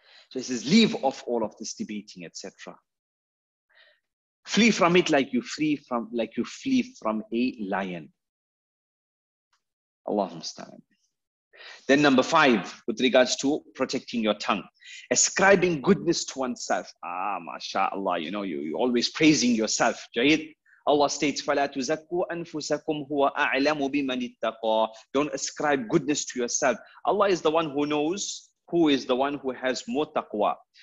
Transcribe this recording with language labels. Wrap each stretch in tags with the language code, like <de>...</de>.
<en>So he says, leave off all of this debating, etc. Flee from it like you flee from a lion. Allahumma sta'in. Then number five, with regards to protecting your tongue, ascribing goodness to oneself. Ah, mashallah, you know, you're always praising yourself, Jayid. Allah states,</en> <ar>فَلَا تُزَكُّوا أَنفُسَكُمْ هُوَ أَعْلَمُ بِمَنِ اتَّقَى.</ar> <en>Don't ascribe goodness to yourself. Allah is the one who knows who is the one who has more taqwa.</en>